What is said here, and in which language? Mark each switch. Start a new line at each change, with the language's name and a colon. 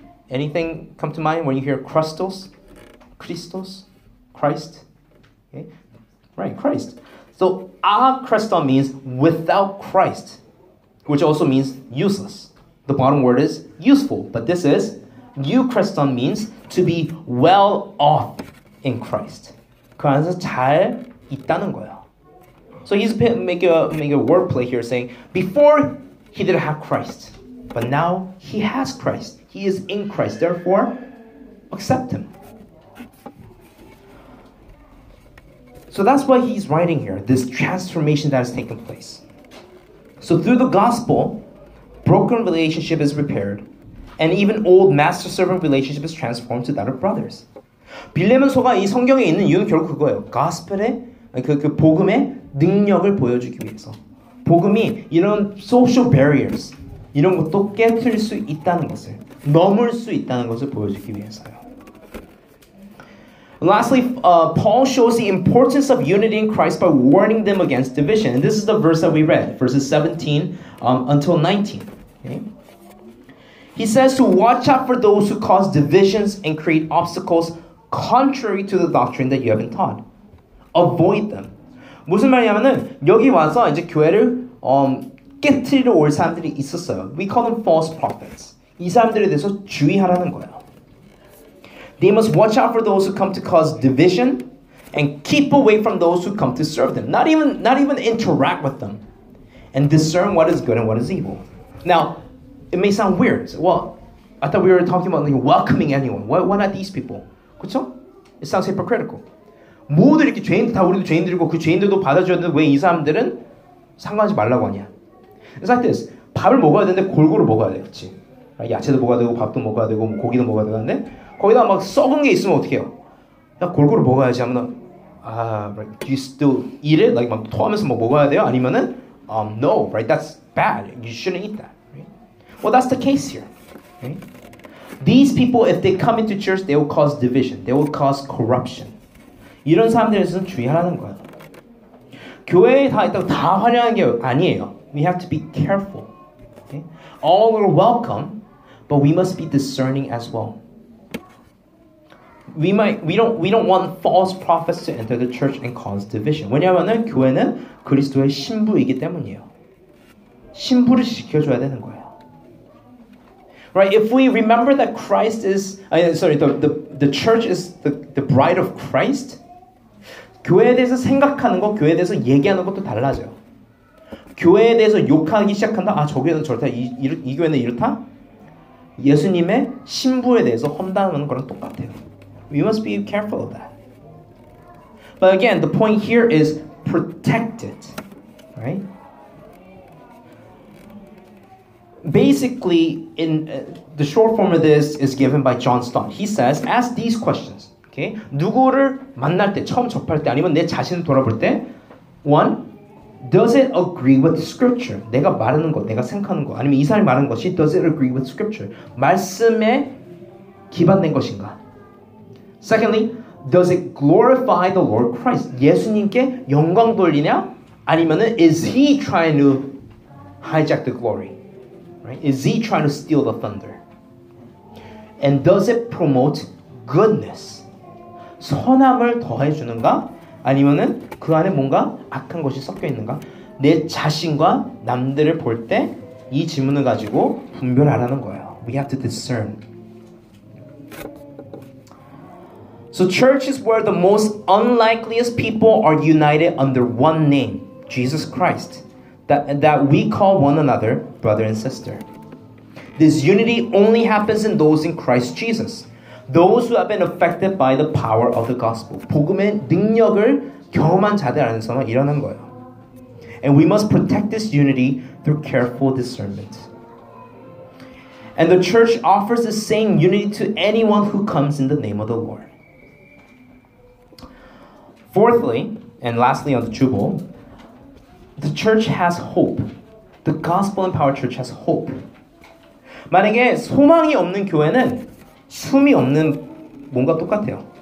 English: Anything come to mind when you hear krestos? Christos? Christ? Okay. Right, Christ. So, akreston means without Christ, which also means useless. The bottom word is useful, but this is eukreston means to be well off in Christ.
Korean: 그 안에서 잘 있다는 거예요.
English: So, he's make a word play here saying, before he didn't have Christ, but now he has Christ. He is in Christ, therefore, accept him. So that's why he's writing here, this transformation that has taken place. So through the gospel, broken relationship is repaired, and even old master-servant relationship is transformed to that of brothers.
Korean: 빌레몬서가 이 성경에 있는 이유는 결국 그거예요. 가스펠의 그 복음의 능력을 보여주기 위해서. 복음이 이런 social barriers, 이런 것도 깨뜨릴 수 있다는 것을, 넘을 수 있다는 것을 보여주기 위해서요.
English: Lastly, Paul shows the importance of unity in Christ by warning them against division. And this is the verse that we read, verses 17 until 19. Okay? He says to watch out for those who cause divisions and create obstacles contrary to the doctrine that you have been taught. Avoid them.
Korean: 무슨 말이냐면은 여기 와서 이제 교회를 깨트리러 올 사람들이 있었어요.
English: We call them false prophets.
Korean: 이 사람들에 대해서 주의하라는 거예요.
English: They must watch out for those who come to cause division and keep away from those who come to serve them. Not even interact with them and discern what is good and what is evil. Now, it may sound weird. So, well, I thought we were talking about like, welcoming anyone. Why not these people?
Korean: 그쵸?
English: It sounds hypocritical.
Korean: 모두 이렇게 죄인, 다 우리도 죄인들이고 그 죄인들도 받아줘야 되는데 왜 이 사람들은 상관하지 말라고 하냐?
English: It's like this.
Korean: 밥을 먹어야 되는데 골고루 먹어야 돼, 그치? 야채도 먹어야 되고 밥도 먹어야 되고 뭐 고기도 먹어야 되는데 거기다 막 썩은 게 있으면 어떡해요? 나 골고루 먹어야지 하면 아,
English: right, do you still eat it? Like,
Korean: 막 토하면서 뭐 먹어야 돼요? 아니면은
English: no, right? That's bad. You shouldn't eat that. Well, that's the case here. Okay? These people, if they come into church, they will cause division. They will cause corruption.
Korean: 이런 사람들에서는 주의하라는 거예요. 교회에 다 있다고 다 환영한 게 아니에요.
English: We have to be careful. Okay? All are welcome, but we must be discerning as well. We don't want false prophets to enter the church and cause division.
Korean: 왜냐하면 교회는 그리스도의 신부이기 때문이에요. 신부를 지켜줘야 되는 거예요.
English: Right, if we remember that Christ is, the church is the bride of Christ,
Korean: 교회에 대해서 생각하는 것, 교회에 대해서 얘기하는 것도 달라져요. 교회에 대해서 욕하기 시작한다? 아, 저 교회는 저렇다? 이 교회는 이렇다? 예수님의 신부에 대해서 험담하는 거랑 똑같아요.
English: We must be careful of that. But again, the point here is protect it, right? Basically, in the short form of this is given by John Stott. He says, ask these questions. Okay,
Korean: 누구를 만날 때, 처음 접할 때, 아니면 내 자신을 돌아볼 때,
English: one, does it agree with Scripture?
Korean: 내가 말하는 것, 내가 생각하는 것, 아니면 이 사람이 말하는 것이
English: does it agree with Scripture?
Korean: 말씀에 기반된 것인가?
English: Secondly, does it glorify the Lord Christ?
Korean: 예수님께 영광 돌리냐? 아니면은
English: is he trying to hijack the glory? Is he trying to steal the thunder? And does it promote goodness?
Korean: 선함을 더해주는가? 아니면은 그 안에 뭔가 악한 것이 섞여 있는가? 내 자신과 남들을 볼 때 이 질문을 가지고 분별하라는 거예요.
English: We have to discern. So church is where the most unlikeliest people are united under one name, Jesus Christ. That we call one another brother and sister. This unity only happens in those in Christ Jesus, those who have been affected by the power of the gospel.
Korean: 복음의 능력을 경험한 자들 안에서만 일어난 거예요.
English: And we must protect this unity through careful discernment. And the church offers the same unity to anyone who comes in the name of the Lord. Fourthly, and lastly on the Jubal, the church has hope. The gospel-empowered church has hope.
Korean: 만약에 소망이 없는 교회는 숨이 없는 뭔가 똑같아요.